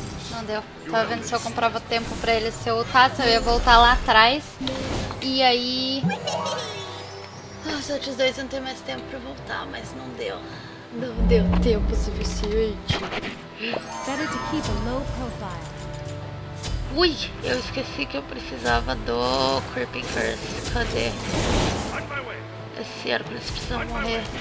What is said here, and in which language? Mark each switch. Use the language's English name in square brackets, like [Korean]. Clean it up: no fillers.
[Portuguese] Não deu. Tava vendo se eu comprava tempo pra ele se eu lutasse. Eu ia voltar lá atrás. E aí. Os outros dois não tem mais tempo pra voltar, mas não deu. Não deu tempo suficiente. [English] Better to keep a low profile. [Portuguese] Ui, eu esqueci que eu precisava do Creeping Curse. Cadê? Esse Hércules precisa morrer.